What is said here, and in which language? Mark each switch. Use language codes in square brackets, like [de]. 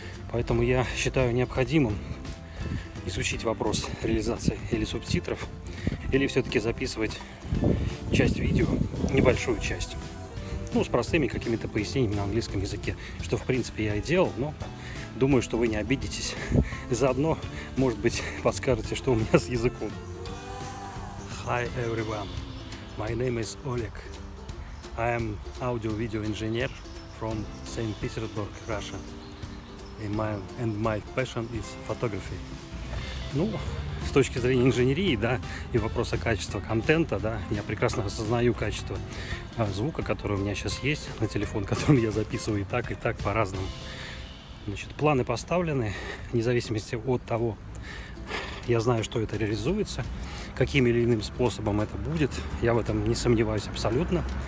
[ru] Поэтому я считаю необходимым изучить вопрос реализации или субтитров, или все-таки записывать часть видео, небольшую часть, ну, с простыми какими-то пояснениями на английском языке, что, в принципе, я и делал, но думаю, что вы не обидитесь. Заодно, может быть, подскажете, что у меня с языком. [en] Hi, everyone. My name is Oleg. I am audio-video engineer from St. Petersburg, Russia. And my passion is photography. [ru] Ну, с точки зрения инженерии, да, и вопроса качества контента, да, я прекрасно осознаю качество звука, который у меня сейчас есть, на телефон, которым я записываю и так, по-разному. Значит, планы поставлены, вне зависимости от того, я знаю, что это реализуется, каким или иным способом это будет, я в этом не сомневаюсь абсолютно.